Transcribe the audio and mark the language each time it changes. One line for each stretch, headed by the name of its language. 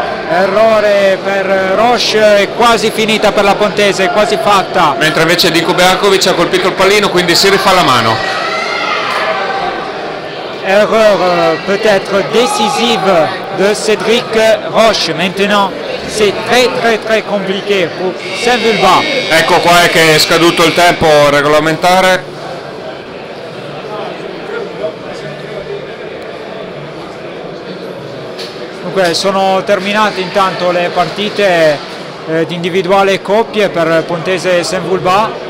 Italian: Errore per Roche, è quasi finita per la Pontese, è quasi fatta. Mentre invece Dinko Beakovic ha colpito il pallino, quindi si rifà la mano.
French: erreur peut-être décisive de Cédric Roche. Maintenant, c'est très très très compliqué pour Saint-Vulbas.
Italian: Ecco qua che è scaduto il tempo regolamentare. Dunque, sono terminate intanto le partite di individuale e coppie per Pontese e Saint-Vulbas.